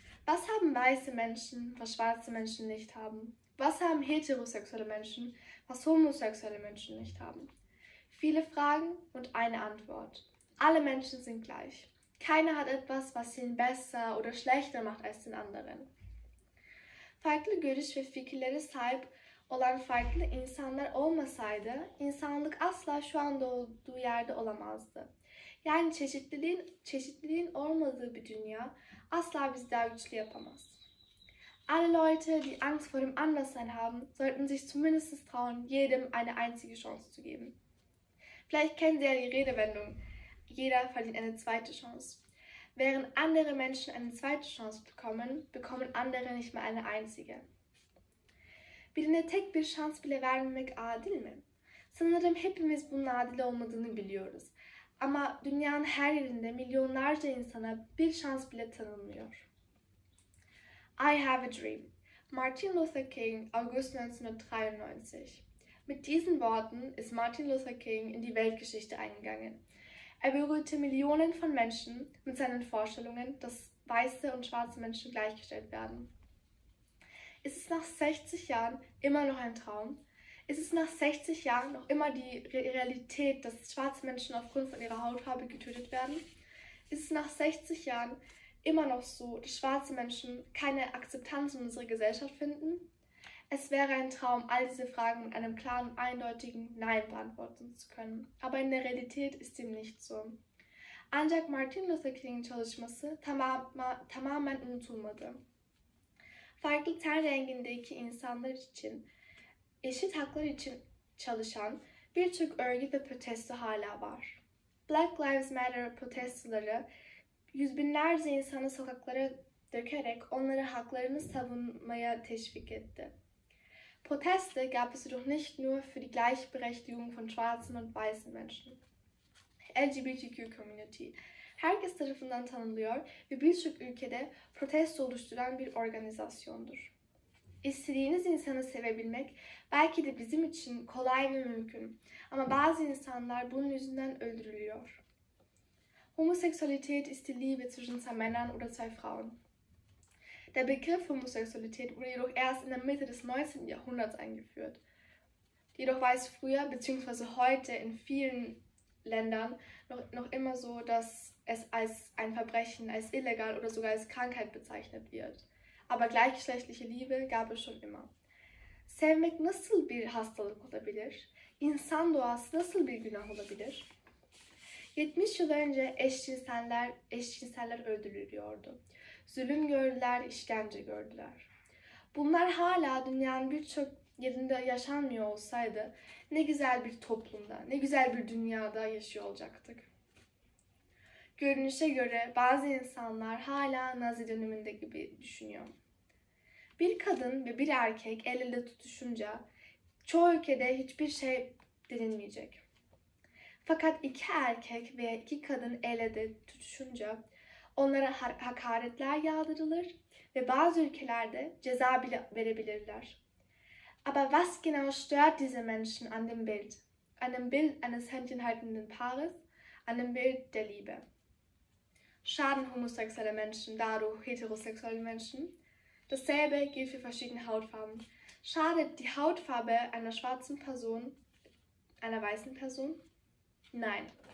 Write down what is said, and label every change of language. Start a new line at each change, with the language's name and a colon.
German: Was haben weiße Menschen, was schwarze Menschen nicht haben? Was haben heterosexuelle Menschen, was homosexuelle Menschen nicht haben? Viele Fragen und eine Antwort. Alle Menschen sind gleich. Keiner hat etwas, was ihn besser oder schlechter macht als den anderen.
Turkish: Farklı görüş ve fikirlere sahip olan farklı insanlar olmasaydı, insanlık asla şu anda olduğu yerde olamazdı. Yani çeşitliliğin olmadığı bir dünya asla bizi daha güçlü yapamaz.
German: Alle Leute, die Angst vor dem Anderssein haben, sollten sich zumindest trauen, jedem eine einzige Chance zu geben. Vielleicht kennen Sie ja die Redewendung, jeder verdient eine zweite Chance. Während andere Menschen eine zweite Chance bekommen, bekommen andere nicht mal eine einzige.
Turkish: Birine tek bir şans bile vermemek adil mi? Sanırım hepimiz bunun adil olmadığını biliyoruz. Ama dünyanın her yerinde milyonlarca insana bir şans bile tanınmıyor.
English: I have a dream. Martin Luther King, August 1993.
German: Mit diesen Worten ist Martin Luther King in die Weltgeschichte eingegangen. Er berührte Millionen von Menschen mit seinen Vorstellungen, dass weiße und schwarze Menschen gleichgestellt werden. Ist es nach 60 Jahren immer noch ein Traum? Ist es nach 60 Jahren noch immer die Realität, dass schwarze Menschen aufgrund von ihrer Hautfarbe getötet werden? Ist es nach 60 Jahren immer noch so, dass schwarze Menschen keine Akzeptanz in unserer Gesellschaft finden? Es wäre ein Traum, all diese Fragen mit einem klaren, eindeutigen Nein beantworten zu können. Aber in der Realität ist dem nicht so.
Turkish: Ancak Martin Luther King'in çalışması tamamen unutulmadı. Farklı ten rengindeki insanlar için, eşit haklar için çalışan birçok örgüt ve protesto hala var. Black Lives Matter protestoları yüz binlerce insanı sokaklara dökerek onları haklarını savunmaya teşvik etti.
German: Proteste gab es jedoch nicht nur für die Gleichberechtigung von schwarzen und weißen Menschen. LGBTQ-Community.
Turkish: Herkes tarafından tanınıyor ve birçok ülkede protesto oluşturan bir organizasyondur. İstediğiniz insanı sevebilmek belki de bizim için kolay ve mümkün. Ama bazı insanlar bunun yüzünden öldürülüyor.
German: Homosexualität ist die Liebe zwischen zwei Männern oder zwei Frauen. Der Begriff Homosexualität wurde jedoch erst in der Mitte des 19. Jahrhunderts eingeführt. Jedoch war es früher bzw. heute in vielen Ländern noch immer so, dass es als ein Verbrechen, als illegal oder sogar als Krankheit bezeichnet wird. Aber gleichgeschlechtliche Liebe gab es schon immer.
Turkish: Sevmek nasıl bir hastalık olabilir? İnsan doğası nasıl bir günah olabilir? 70 yıl önce eşcinseller öldürülüyordu. Zulüm gördüler, işkence gördüler. Bunlar hala dünyanın birçok yerinde yaşanmıyor olsaydı, ne güzel bir toplumda, ne güzel bir dünyada yaşıyor olacaktık. Görünüşe göre bazı insanlar hala Nazi döneminde gibi düşünüyor. Bir kadın ve bir erkek el ele tutuşunca Cholke de hitpiche denilmeyecek. Fakat iki erkek ve iki kadın el ele tutuşunca onlara hakaretler yağdırılır ve bazı ülkelerde ceza bile verebilirler.
German: Aber was genau stört diese Menschen an dem Bild? An dem Bild eines händchenhaltenden Paares? An dem Bild der Liebe? Schaden homosexuelle Menschen dadurch heterosexuellen Menschen? Dasselbe gilt für verschiedene Hautfarben. Schadet die Hautfarbe einer schwarzen Person, einer weißen Person? Nein.